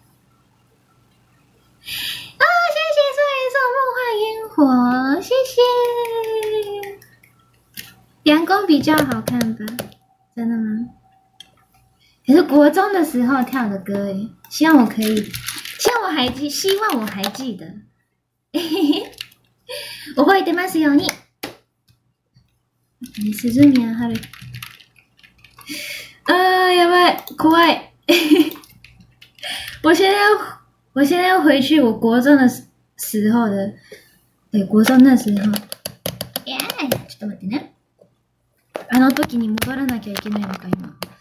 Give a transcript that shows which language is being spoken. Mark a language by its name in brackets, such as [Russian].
[Chinese] 啊、哦！谢谢素颜色梦幻烟火，谢谢。凉宫比较好看吧？真的吗？可是国中的时候跳的歌哎，希望我可以，希望我还记得。 [Japanese] 嘿嘿嘿，覚えてますように。鈴宮春。あー、やばい、怖い。 [Chinese] 我现在要回去我国中的时候的，对，国中那时候。 [Japanese] 耶、yeah ，ちょっと待ってね。あの時に戻らなきゃいけないのか今。